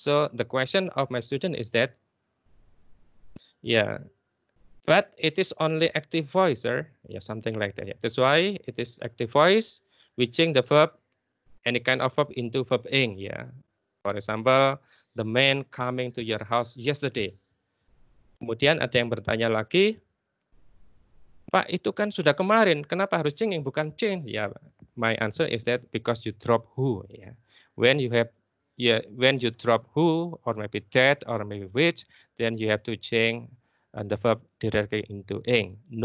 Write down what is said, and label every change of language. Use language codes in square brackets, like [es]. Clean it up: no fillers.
[en] So the question of my student is that, yeah, but it is only active voice, or yeah, something like that, yeah. That's why it is active voice. We change the verb, any kind of verb, into verb ing, yeah. For example, the man coming to your house yesterday. [id] Kemudian ada yang bertanya lagi, Pak, itu kan sudah kemarin, kenapa harus change yang bukan change? [en] Ya, my answer is that because you drop who, ya. When you have, yeah, when you drop who, or maybe that, or maybe which, then you have to change the verb directly into ing.